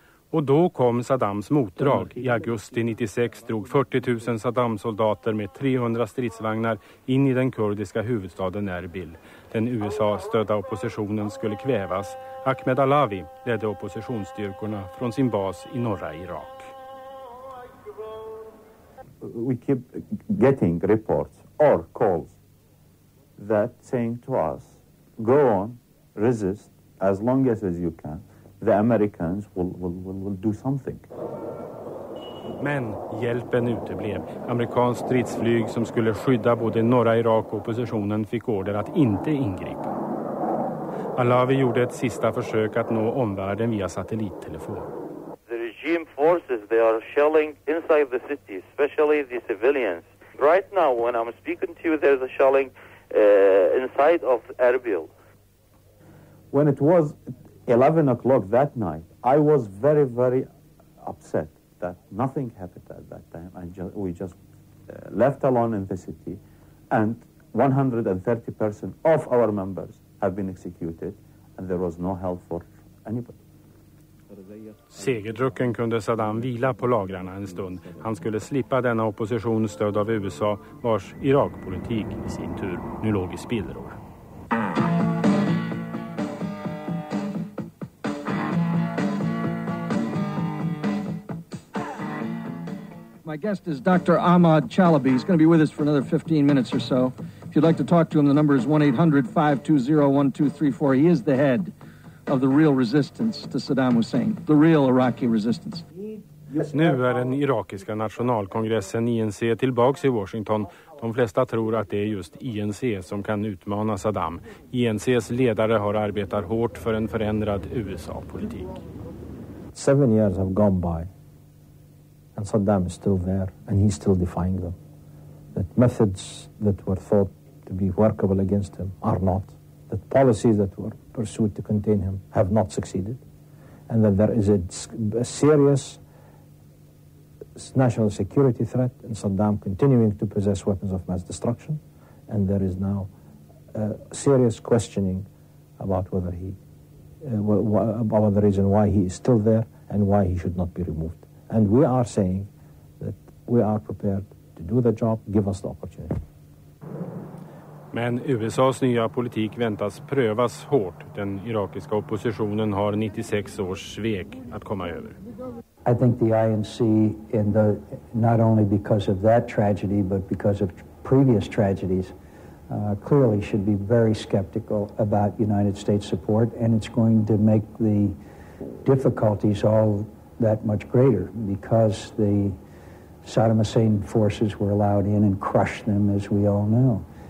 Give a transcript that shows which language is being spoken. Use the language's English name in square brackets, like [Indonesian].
[Swedish] Och då kom Saddams motdrag. I augusti 96 drog 40 000 Saddam-soldater med 300 stridsvagnar in i den kurdiska huvudstaden Erbil. Den USA-stödda oppositionen skulle kvävas. Ahmed Alavi ledde oppositionsstyrkorna från sin bas i norra Irak. [English] We keep getting reports or calls that saying to us, go on, resist as long as you can. The Americans will do something. [Swedish] Men hjälpen uteblev. Amerikansk stridsflyg som skulle skydda både norra Irak och oppositionen fick order att inte ingripa. Alawi gjorde ett sista försök att nå omvärlden via satellittelefon. [English] The regime forces, they are shelling inside the city, especially the civilians. Right now when I'm speaking to you, there's a shelling inside of Erbil. When it was 11 o'clock that night, I was very, very upset that nothing happened at that time. We just left alone in the city, and 130 persons of our members have been executed, and there was no help for anybody. [Swedish] Segerdrucken kunde Saddam vila på lagrarna en stund. Han skulle slippa denna opposition stöd av USA, vars Irakpolitik i sin tur nu låg i spillror. [English] My guest is Dr. Ahmad Chalabi. He's going to be with us for another 15 minutes or so. If you'd like to talk to him, the number is 1-800-520-1234. He is the head of the real resistance to Saddam Hussein, the real Iraqi resistance. [Swedish] Nu är den irakiska nationalkongressen INC tillbaks i Washington. De flesta tror att det är just INC som kan utmana Saddam. INCs ledare har arbetat hårt för en förändrad USA-politik. [English] 7 years have gone by. And Saddam is still there, and he's still defying them. That methods that were thought to be workable against him are not. That policies that were pursued to contain him have not succeeded. And that there is a serious national security threat in Saddam continuing to possess weapons of mass destruction. And there is now a serious questioning about whether he, about the reason why he is still there and why he should not be removed. And we are saying that we are prepared to do the job, give us the opportunity. [Swedish] Men USA:s nya politik väntas prövas hårt. Den irakiska oppositionen har 96 års svek att komma över. [English] I think the INC, in the, not only because of that tragedy but because of previous tragedies, clearly should be very skeptical about United States support, and it's going to make the difficulties all that much greater, because the Saddam Hussein forces were allowed in and crushed them, as we all know.